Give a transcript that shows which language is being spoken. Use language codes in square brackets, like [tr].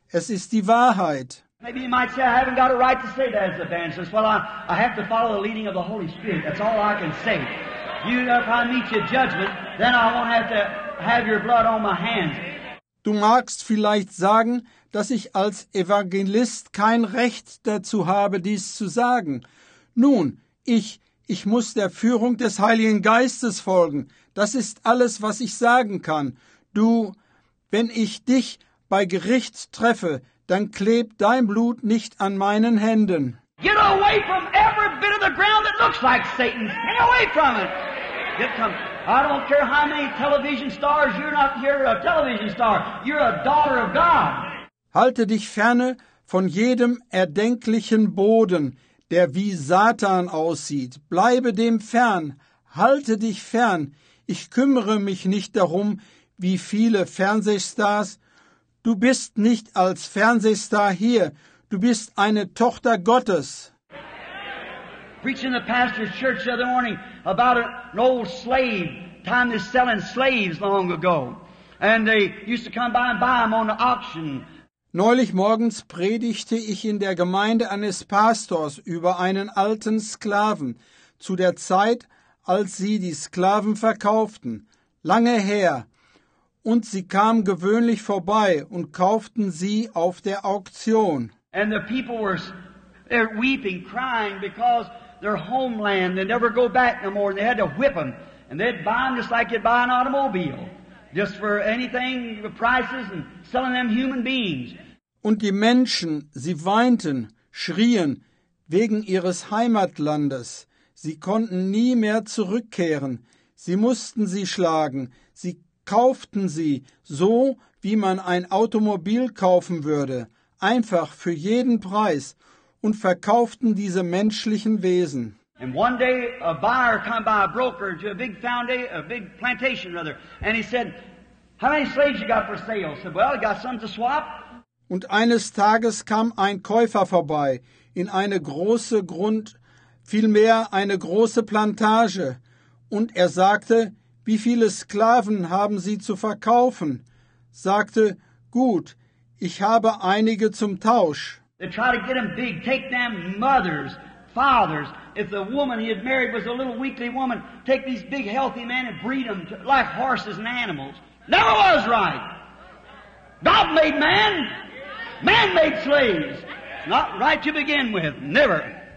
[de] Es ist die Wahrheit. [en] Maybe you might say, I haven't got a right to say that as an evangelist. Well, I have to follow the leading of the Holy Spirit. That's all I can say. You know, if I meet your judgment, then I won't have to have your blood on my hands. [de] Du magst vielleicht sagen, dass ich als Evangelist kein Recht dazu habe, dies zu sagen. Nun, ich muss der Führung des Heiligen Geistes folgen. Das ist alles, was ich sagen kann. du, wenn ich dich bei Gericht treffe, dann klebt dein Blut nicht an meinen Händen. [en] Get away from every bit of the ground that looks like Satan. Get away from it. Get come. I don't care how many television stars you're not. You're a television star. You're a daughter of God. [de] Halte dich ferne von jedem erdenklichen Boden, der wie Satan aussieht. Bleibe dem fern. Halte dich fern. Ich kümmere mich nicht darum, wie viele Fernsehstars. Du bist nicht als Fernsehstar hier. Du bist eine Tochter Gottes. [en] Preaching the pastor's church the other morning about an old slave, time they're selling slaves long ago. And they used to come by and buy them on the auction. [de] Neulich morgens predigte ich in der Gemeinde eines Pastors über einen alten Sklaven, zu der Zeit, als sie die Sklaven verkauften, lange her. Und sie kamen gewöhnlich vorbei und kauften sie auf der Auktion. [en] And the people were weeping, crying, because their homeland, they never go back no more, and they had to whip them. And they'd buy them just like you'd buy an automobile. Just for anything, the prices, and selling them human beings. [de] Und die Menschen, sie weinten, schrien, wegen ihres Heimatlandes. Sie konnten nie mehr zurückkehren. Sie mussten sie schlagen. Sie kauften sie, so wie man ein Automobil kaufen würde. Einfach für jeden Preis. Und verkauften diese menschlichen Wesen. [en] And one day a buyer came by a broker to a big foundation, a big plantation rather, and he said, "How many slaves you got for sale?" I said, "Well, I got some to swap." [de] Und eines Tages kam ein Käufer vorbei in eine große Grund, vielmehr eine große Plantage, und er sagte, "Wie viele Sklaven haben Sie zu verkaufen?" Sagte, "Gut, ich habe einige zum Tausch." [en] They try to get them big, take them mothers, fathers. If the woman he had married was a little weakly woman, take these big healthy men and breed them like horses and animals. Never was right. God made man. Man made slaves. Not right to begin with. Never.